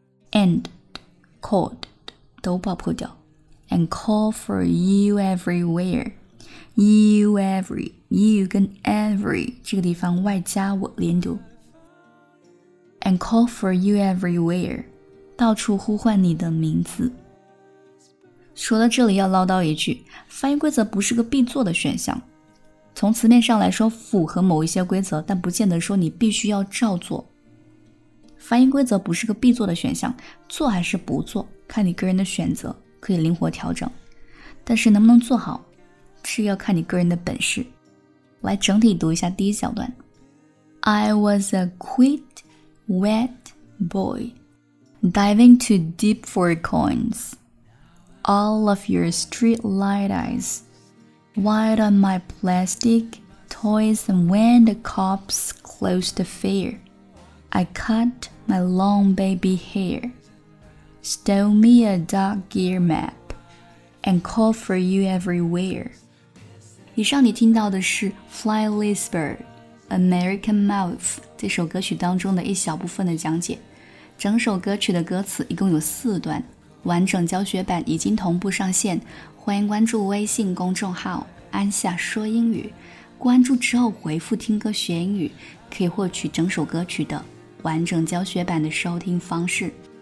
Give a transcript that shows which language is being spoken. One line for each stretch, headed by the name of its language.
English: And called
Chinese: 都爆破掉
English: And call for you everywhere
Chinese: you every, you 跟 every 这个地方外加我连读
English: and call for you everywhere
Chinese: 到处呼唤你的名字。说到这里要唠叨一句，发音规则不是个必做的选项，从词面上来说符合某一些规则，但不见得说你必须要照做。发音规则不是个必做的选项，做还是不做看你个人的选择，可以灵活调整，但是能不能做好是要看你个人的本事。来整体读一下第一小段。
English: I was a quick, wet boy diving too deep for coins. All of your street light eyes wide on my plastic toys, and when the cops closed the fair, I cut my long baby hair, stole me a dog gear map, and called for you everywhere.
Chinese: 以上你听到的是 Fly Lisbon American Mouth 这首歌曲当中的一小部分的讲解，整首歌曲的歌词一共有四段，完整教学版已经同步上线，欢迎关注微信公众号安夏说英语，关注之后回复听歌学英语，可以获取整首歌曲的完整教学版的收听方式，